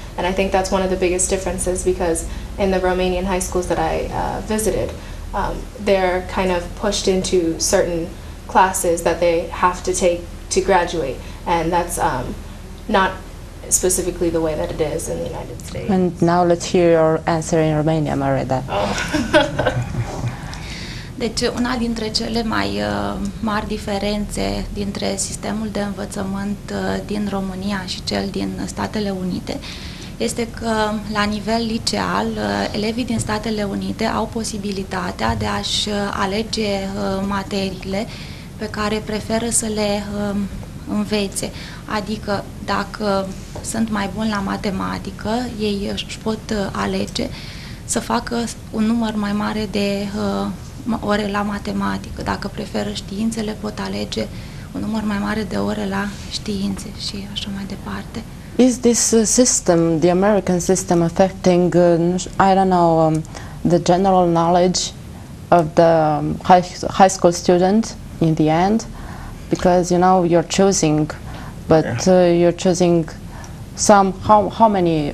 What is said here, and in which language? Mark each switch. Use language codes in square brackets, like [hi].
[en] And I think that's one of the biggest differences, because in the Romanian high schools that I visited, they're kind of pushed into certain classes that they have to take to graduate. And that's not specifically the way that it is in the United States. And now let's hear your answer in Romania, Mareda. Oh. [ro] Deci, una dintre cele mai mari diferențe dintre sistemul de învățământ din România și cel din Statele Unite este că, la nivel liceal, elevii din Statele Unite au posibilitatea de a-și alege materiile pe care preferă să le învețe. Adică, dacă sunt mai buni la matematică, ei își pot alege să facă un număr mai mare de ore la matematică. Dacă preferă științele, pot alege un număr mai mare de ore la științe și așa mai departe. [en] Is this system, the American system, affecting, I don't know, the general knowledge of the high school student in the end? Because, you know, you're choosing, but you're choosing some, how many...